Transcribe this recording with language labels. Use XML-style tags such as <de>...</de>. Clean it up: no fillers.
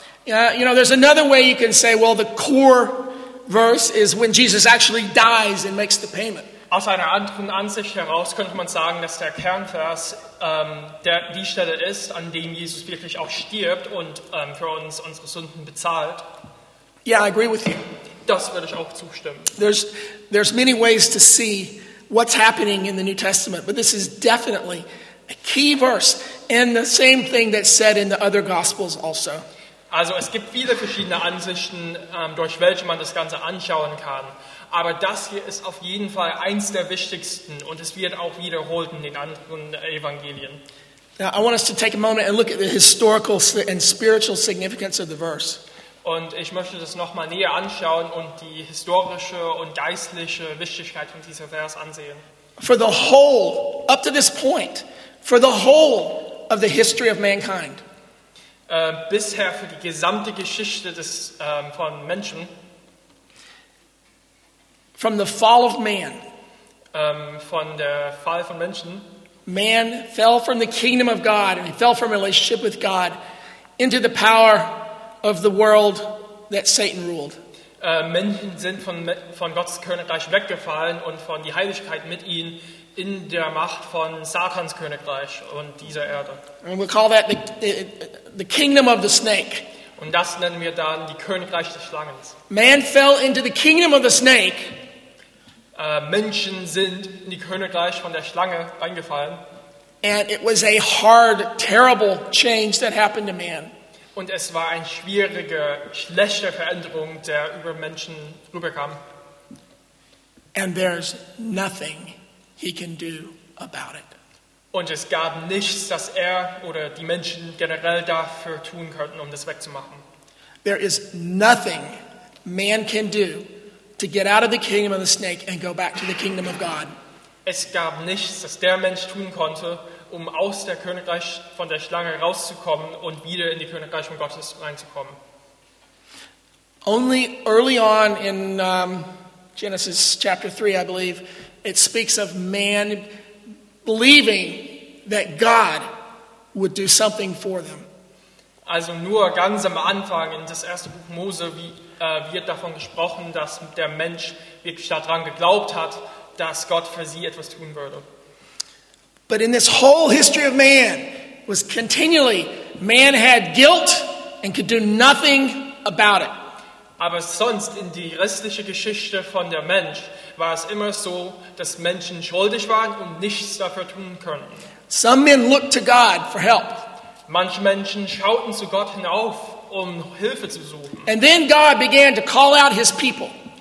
<en>Yeah, you know, there's another way you can say, well, the core verse is when Jesus actually dies and makes the payment.</en> <de>Aus einer anderen Ansicht heraus könnte man sagen, dass der Kernvers die Stelle ist, an dem Jesus wirklich auch stirbt und für uns unsere Sünden bezahlt.</de> <en>Yeah, I agree with you.</en> <de>Das würde ich auch zustimmen.</de> <en>There's many ways to see what's happening in the New Testament, but this is definitely a key verse, and the same thing that's said in the other Gospels also.</en> <de>Also es gibt viele verschiedene Ansichten, durch welche man das Ganze anschauen kann, aber das hier ist auf jeden Fall eins der wichtigsten und es wird auch wiederholt in den anderen Evangelien.</de> <en>Now, I want us to take a moment and look at the historical and spiritual significance of the verse.</en> <de>Und ich möchte das nochmal näher anschauen und die historische und geistliche Wichtigkeit von diesem Vers ansehen.</de> <en>For the whole, up to this point, for the whole of the history of mankind.</en> <de>Bisher für die gesamte Geschichte des, von Menschen.</de> <en>From the fall of man.</en> <de>Von der Fall von Menschen.</de> <en>Man fell from the kingdom of God and he fell from relationship with God into the power of the world that Satan ruled.</en> <de>Menschen sind von Gottes Königreich weggefallen und von die Heiligkeit mit ihnen in der Macht von Satans Königreich und dieser Erde.</de> <en>And we call that the kingdom of the snake.</en> <de>Und das nennen wir dann die Königreich des Schlangens.</de> <en>Man fell into the kingdom of the snake.</en> <de>Menschen sind in die Königreich von der Schlange eingefallen.</de> <en>And it was a hard, terrible change that happened to man.</en> <de>Und es war eine schwierige, schlechte Veränderung, der über Menschen rüberkam.</de> <en>And there's nothing he can do about it.</en> <de>Und es gab nichts, das er oder die Menschen generell dafür tun könnten, um das wegzumachen.</de> <en>There is nothing man can do to get out of the kingdom of the snake and go back to the kingdom of God.</en> <de>Es gab nichts, das der Mensch tun konnte, um aus der Königreich von der Schlange rauszukommen und wieder in die Königreich von Gottes reinzukommen.</de> <en>Only early on in Genesis chapter 3, I believe, it speaks of man believing that God would do something for them.</en> <de>Also nur ganz am Anfang in das erste Buch Mose wird davon gesprochen, dass der Mensch wirklich daran geglaubt hat, dass Gott für sie etwas tun würde.</de> <en>But in this whole history of man was continually man had guilt and could do nothing about it.</en> <de>Aber sonst in die restliche Geschichte von der Mensch war es immer so, dass Menschen schuldig waren und nichts dafür tun konnten.</de> <en>Some men looked to God for help.</en> <de>Manche Menschen schauten zu Gott hinauf, um Hilfe zu suchen.</de> <en>And then God began to call out his people.</en>